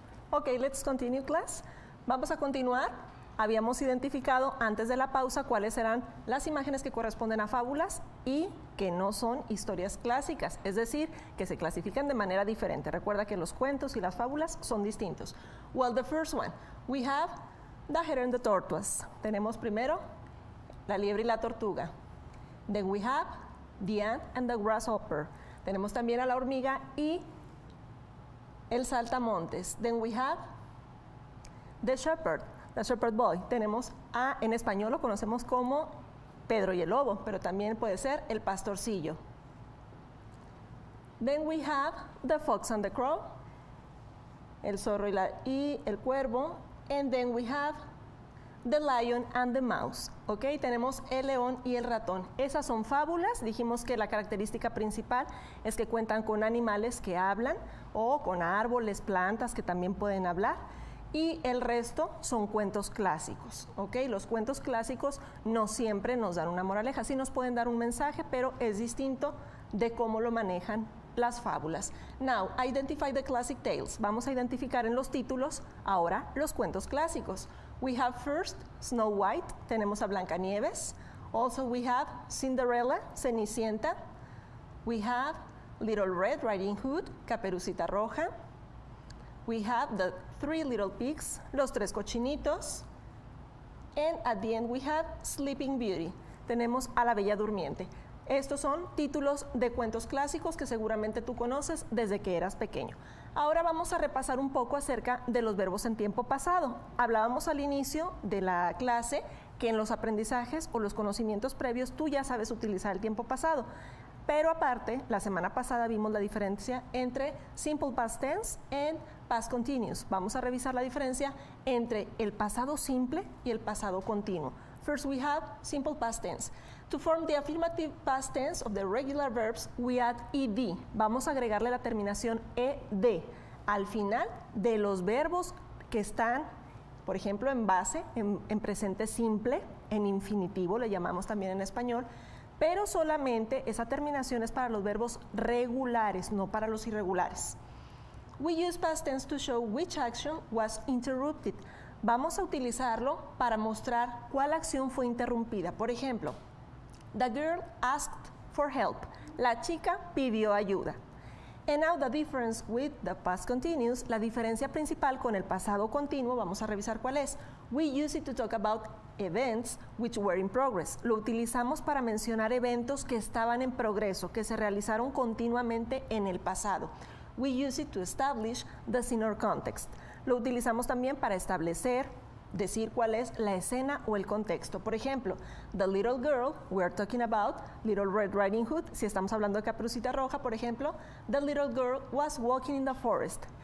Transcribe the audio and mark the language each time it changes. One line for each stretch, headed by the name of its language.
English: Ok, let's continue class.
Spanish: Vamos a continuar. Habíamos identificado antes de la pausa cuáles eran las imágenes que corresponden a fábulas y que no son historias clásicas, es decir, que se clasifican de manera diferente. Recuerda que los cuentos y las fábulas son distintos.
English: Well, the first one, we have the hare and the tortoise.
Spanish: Tenemos primero la liebre y la tortuga.
English: Then we have the ant and the grasshopper.
Spanish: Tenemos también a la hormiga y el saltamontes.
English: Then we have the shepherd.
Spanish: The Shepherd Boy, tenemos a, en español lo conocemos como Pedro y el Lobo, pero también puede ser el Pastorcillo.
English: Then we have the Fox and the Crow, el Zorro y, y el Cuervo. And then we have the Lion and the Mouse.
Spanish: Ok, tenemos el León y el Ratón. Esas son fábulas, dijimos que la característica principal es que cuentan con animales que hablan o con árboles, plantas que también pueden hablar. Y el resto son cuentos clásicos, ¿ok? Los cuentos clásicos no siempre nos dan una moraleja, sí nos pueden dar un mensaje, pero es distinto de cómo lo manejan las fábulas.
English: Now, identify the classic tales.
Spanish: Vamos a identificar en los títulos ahora los cuentos clásicos.
English: We have first Snow White,
Spanish: tenemos a Blancanieves.
English: Also we have Cinderella, Cenicienta. We have Little Red Riding Hood, Caperucita Roja. We have the Three Little Pigs, los tres cochinitos. And at the end we have Sleeping Beauty.
Spanish: Tenemos a la Bella Durmiente. Estos son títulos de cuentos clásicos que seguramente tú conoces desde que eras pequeño. Ahora vamos a repasar un poco acerca de los verbos en tiempo pasado. Hablábamos al inicio de la clase que en los aprendizajes o los conocimientos previos tú ya sabes utilizar el tiempo pasado. Pero aparte, la semana pasada vimos la diferencia entre Simple Past Tense y Past Continuous. Vamos a revisar la diferencia entre el pasado simple y el pasado continuo.
English: First, we have Simple Past Tense. To form the affirmative past tense of the regular verbs, we add ed.
Spanish: Vamos a agregarle la terminación ed al final de los verbos que están, por ejemplo, en base, en presente simple, en infinitivo, le llamamos también en español, pero solamente esa terminación es para los verbos regulares, no para los irregulares.
English: We use past tense to show which action was interrupted.
Spanish: Vamos a utilizarlo para mostrar cuál acción fue interrumpida. Por ejemplo,
English: the girl asked for help.
Spanish: La chica pidió ayuda.
English: And now the difference with the past continuous,
Spanish: la diferencia principal con el pasado continuo, vamos a revisar cuál es.
English: We use it to talk about events which were in progress.
Spanish: Lo utilizamos para mencionar eventos que estaban en progreso, que se realizaron continuamente en el pasado.
English: We use it to establish the scene or context.
Spanish: Lo utilizamos también para establecer, decir cuál es la escena o el contexto. Por ejemplo,
English: the little girl, we are talking about Little Red Riding Hood,
Spanish: si estamos hablando de Caperucita Roja, por ejemplo,
English: the little girl was walking in the forest.